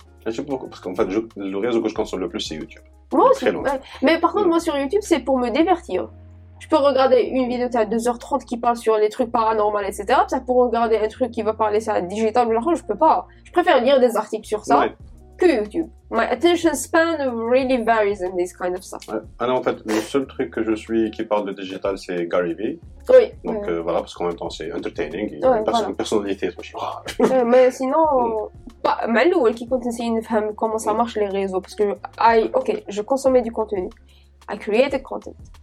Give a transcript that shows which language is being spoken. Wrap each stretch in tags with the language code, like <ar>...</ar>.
<fr>Je sais pas pourquoi, parce qu'en fait, le réseau que je consomme le plus, c'est YouTube. Moi aussi. Mais par contre, moi, sur YouTube, c'est pour me divertir. Je peux regarder une vidéo à 2h30 qui parle sur les trucs paranormaux, etc. Ça, pour regarder un truc qui va parler sur la digital, je ne peux pas. Je préfère lire des articles sur ça que YouTube.</fr> <en>My attention span really varies in this kind of stuff.</en> <fr>Ah non, en fait, le seul truc que je suis qui parle de digital, c'est Gary Vee. Oui. Donc voilà, parce qu'en même temps, c'est entertaining. Il y a une personnalité. Mais sinon, Malou, elle qui continue de comprendre comment ça marche les réseaux. Parce que, je consommais du contenu.</fr> <en>I created content.</en>